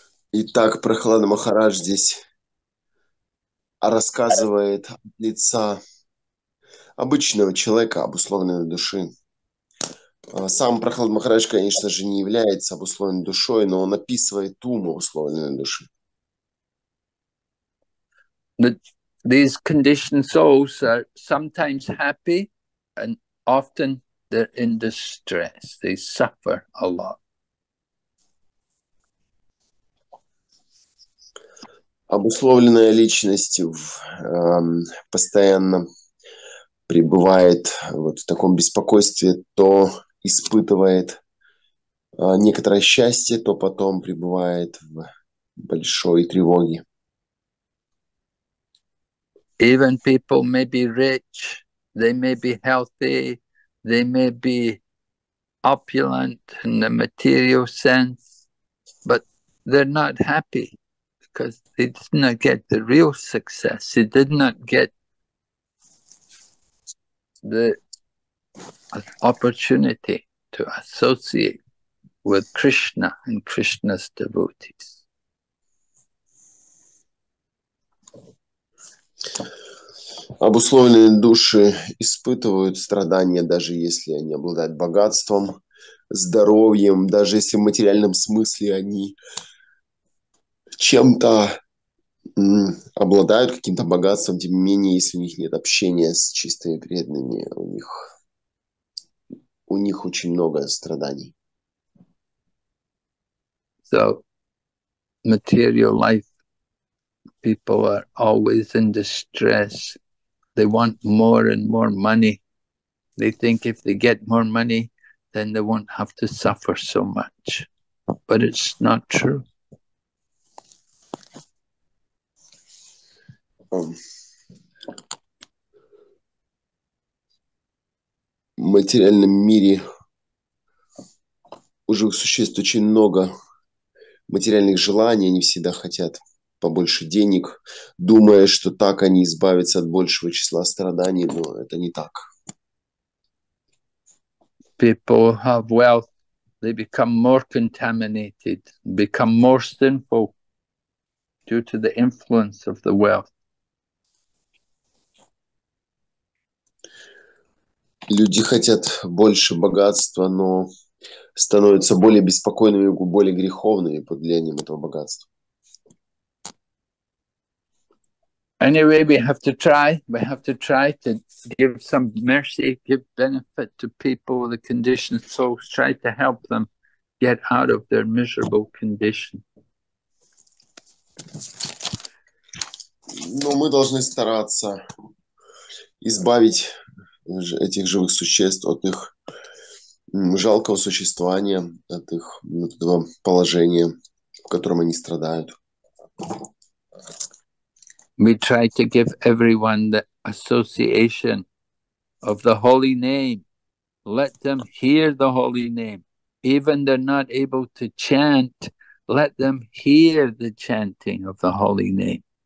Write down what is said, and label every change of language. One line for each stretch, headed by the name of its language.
Russian: Итак, Прахлада Махарадж здесь рассказывает от лица обычного человека, обусловленной души. Сам Прахлад Махарадж, конечно же, не является обусловленной душой, но он описывает ум обусловленной души.
English: These conditioned souls are sometimes happy, and often they're in distress. They suffer a lot.
Russian: Обусловленная личность постоянно пребывает вот в таком беспокойстве, то испытывает некоторое счастье, то потом пребывает в большой тревоге.
English: Even people may be rich, they may be healthy, they may be opulent in the material sense, but they're not happy because they did not get the real success. They did not get the opportunity to associate with Krishna and Krishna's devotees.
Russian: Обусловленные души испытывают страдания, даже если они обладают богатством, здоровьем, даже если в материальном смысле они чем-то обладают, каким-то богатством, тем не менее, если у них нет общения с чистыми преданными, у них очень много страданий.
English: So, material life, people are always in distress. They want more and more money. They think if they get more money, then they won't have to suffer so much. But it's not true.
Russian: В материальном мире у живых существ очень много материальных желаний, они всегда хотят побольше денег, думая, что так они избавятся от большего числа страданий, но это не так.
English: People have wealth, they become more contaminated, become more sinful due to the influence of the wealth.
Russian: Люди хотят больше богатства, но становятся более беспокойными, более греховными под влиянием этого богатства.
English: Anyway, we have to try. We have to try to give some mercy, give benefit to people, the conditioned souls, try to help them get out of their miserable condition.
Russian: Но мы должны стараться избавить этих живых существ от их жалкого существования, от их этого положения, в котором они страдают.
English: We try to give everyone the association of the holy name. Let them hear the holy name. Even they're not able to chant, let them hear the chanting of the holy name.